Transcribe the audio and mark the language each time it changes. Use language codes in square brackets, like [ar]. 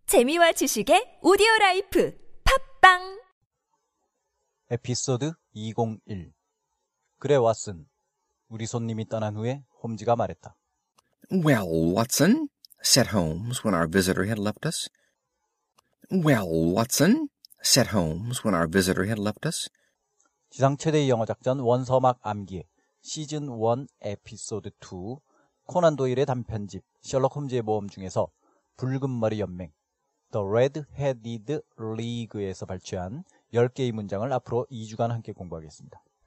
[ko] 재미와 지식의 오디오라이프 팝빵 에피소드 201 그래 왓슨, 우리 손님이 떠난 후에 홈즈가 말했다. [en] Well, Watson, said Holmes when our visitor had left us. Well, Watson, said Holmes when our visitor had left us. [ko] 지상 최대의 영어 작전 원서막 암기 시즌 1 에피소드 2 코난 도일의 단편집 셜록 홈즈의 모험 중에서 붉은 머리 연맹 The Red-Headed League에서 발췌한 10개의 문장을 앞으로 2주간 함께 공부하겠습니다.